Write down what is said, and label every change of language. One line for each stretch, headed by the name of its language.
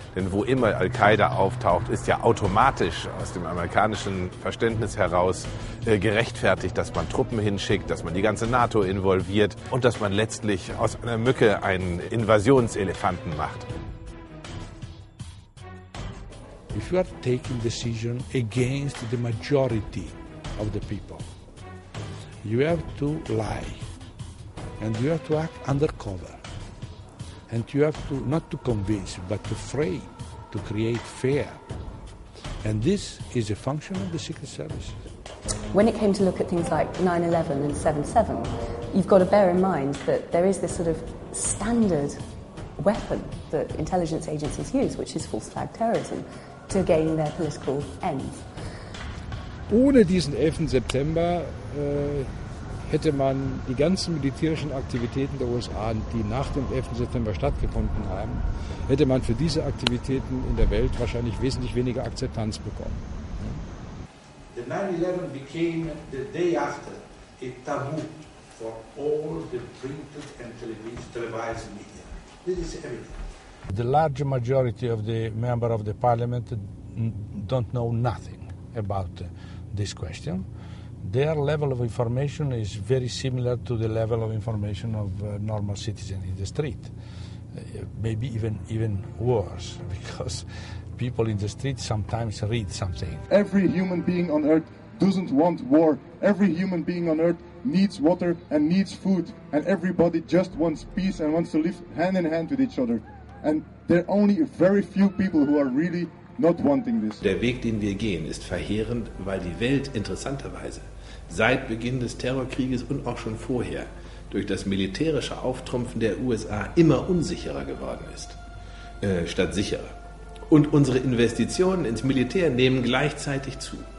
German: Denn wo immer Al-Qaida auftaucht, ist ja automatisch aus dem amerikanischen Verständnis heraus gerechtfertigt, dass man Truppen hinschickt, dass man die ganze NATO involviert und dass man letztlich aus einer Mücke einen Invasionselefanten macht.
English: If you are taking decision against the majority of the people, you have to lie and you have to act undercover. And you have to not to convince, but to frame, to create fear. And this is a function of the Secret Service. When it came to look at things like 9/11 and 7/7, you've got to bear in mind that there is this sort of standard weapon that intelligence agencies use, which is false flag terrorism, to gain their political ends.
German: Ohne diesen 11. September hätte man die ganzen militärischen Aktivitäten der USA, die nach dem 11. September stattgefunden haben, hätte man für diese Aktivitäten in der Welt wahrscheinlich wesentlich weniger Akzeptanz bekommen.
English: The 9/11 became the day after a taboo for all the printed and televised media. This is evident. The large majority of the members of the parliament don't know nothing about this question. Their level of information is very similar to the level of information of normal citizens in the street. Maybe even worse, because people in the street sometimes read something. Every human being on earth doesn't want war. Every human being on earth needs water and needs food. And everybody just wants peace and wants to live hand in hand with each other. And there are only very few people who are really not wanting this.
German: Der Weg, den wir gehen, ist verheerend, weil die Welt interessanterweise seit Beginn des Terrorkrieges und auch schon vorher durch das militärische Auftrumpfen der USA immer unsicherer geworden ist, statt sicherer. Und unsere Investitionen ins Militär nehmen gleichzeitig zu.